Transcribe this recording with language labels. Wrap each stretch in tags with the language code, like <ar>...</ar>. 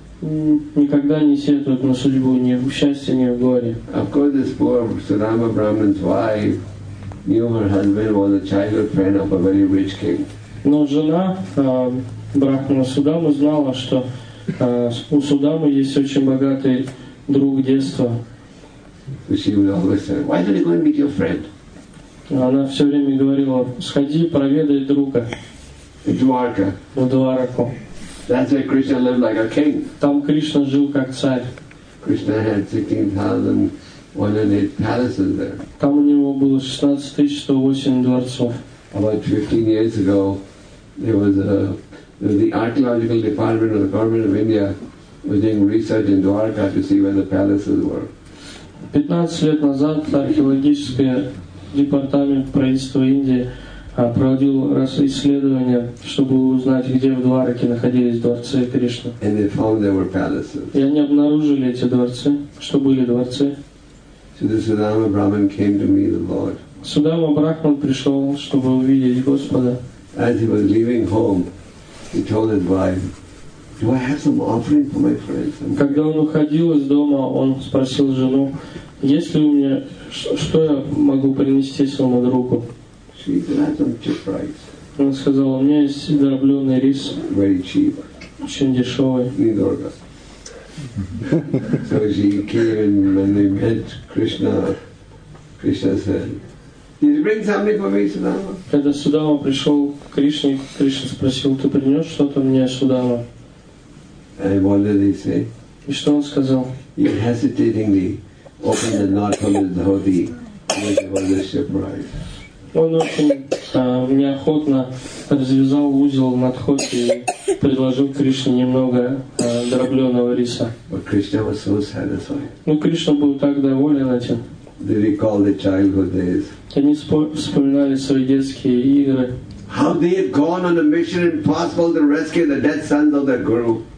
<ru>Никогда не сетуют на судьбу, ни в счастье, ни в горе.</ru> <en>Of course, this poor Sudama Brahman's wife knew her husband was a childhood friend of a very rich king.</en> <ru>Но жена брахмана Судама знала, что у Судамы есть очень богатый друг детства.</ru> <en>She would always say, "Why don't you go and meet your friend?"</en> <ru>Она все время говорила: "Сходи, проведай друга." Дварка. В Двараку.</ru> <en>That's where Krishna lived like a king.</en> <ru>Там Кришна жил как царь.</ru> <en>Krishna had 16,108 palaces there.</en> <ru>Там у него было 16,108 дворцов.</ru> <en>About 15 years ago, the archaeological department of the government of India was doing research in Dwarka to see where the palaces were.</en> <ru>15 лет назад археологический департамент правительства Индии проводил исследование, чтобы узнать, где в Двараке находились дворцы Кришны.</ru> <en>And they found there were palaces.</en> <ru>И они обнаружили эти дворцы, что были дворцы.</ru> <en>So the Sudama Brahman came to meet the Lord.</en> <ru>Судама Брахман пришел, чтобы увидеть Господа.</ru> <en>As he was leaving home, he told his wife, "Do I have some offering for my friends?"</en> <ru>Когда он уходил из дома, он спросил жену, есть ли у меня что я могу принести своему другу.</ru> <en>She said, "I have some cheap rice."</en> <ru>Он сказал, у меня есть дробленый рис.</ru> <en>Very cheap.</en> <ru>Очень дешевый. Недорого.</ru> <en>So she came and when they met Krishna, Krishna said, "Did you bring something for me, Sudama?"</en> <ru>Когда Судама пришел к Кришне, Кришна спросил, ты принес что-то мне, Судама?</ru> <en>And what did he say?</en> <ru>И что он сказал?</ru> <en>He hesitatingly opened the knot on his dhoti, which was a ship rice.</en> <ru>Он очень неохотно развязал узел на дхоти и предложил Кришне немного дробленого риса.</ru> <en>But Krishna was so satisfied.</en> <ru>Но Кришна был так доволен этим.</ru> <en>They recall the childhood days.</en> <ru>Они вспоминали свои детские игры.</ru> <en>How they had gone on a mission impossible to rescue the dead sons of their guru.</en>